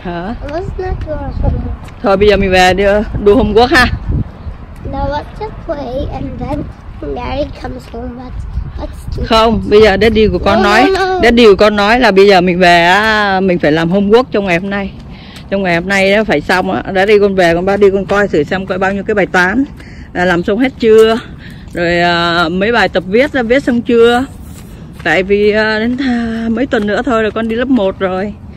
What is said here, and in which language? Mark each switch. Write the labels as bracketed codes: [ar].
[en] When Daddy is almost home, should we do our homework? Let's not do our homework. [vi] Thôi bây giờ mình về đi, đu homework ha. [en] Now let's just play and then Daddy comes home. Let's do. [vi] Không, bây giờ Daddy của con nói, Daddy của con nói là bây giờ mình về, mình phải làm homework trong ngày hôm nay nó phải xong á. Daddy con về, con ba đi con coi thử xem coi bao nhiêu cái bài toán làm xong hết chưa. Rồi mấy bài tập viết ra viết xong chưa? Tại vì đến mấy tuần nữa thôi là con đi lớp 1 rồi.